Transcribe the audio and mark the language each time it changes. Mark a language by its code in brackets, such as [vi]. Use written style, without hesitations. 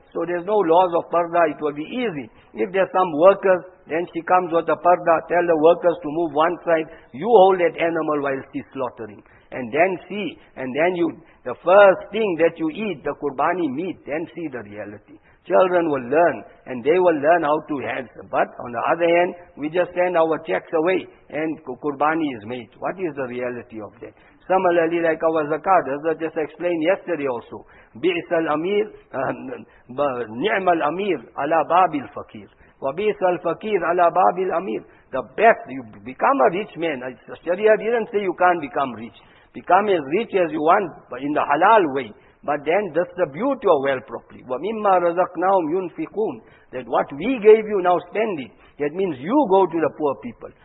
[en] So there's no laws of parda, it will be easy. If there's some workers, then she comes with a parda, tell the workers to move one side, you hold that animal while she's slaughtering. And then see, and then the first thing that you eat, the Qurbani meat, then see the reality. Children will learn, and they will learn how to handle. But on the other hand, we just send our checks away, and Qurbani is made. What is the reality of that? Similarly, like our zakat, as I just explained yesterday also, [ar] بِئِسَ الْأَمِيرُ نِعْمَ الْأَمِيرُ عَلَى بَابِ الْفَقِيرُ وَبِئِسَ الْفَقِيرُ عَلَى بَابِ الْأَمِيرُ. [en] The best, you become a rich man. Sharia didn't say you can't become rich. Become as rich as you want, but in the halal way. But then, that's the beauty of wealth properly. [ar] وَمِمَّا رَزَقْنَاهُمْ يُنْفِقُونَ. [en] That what we gave you, now spend it. That means you go to the poor people.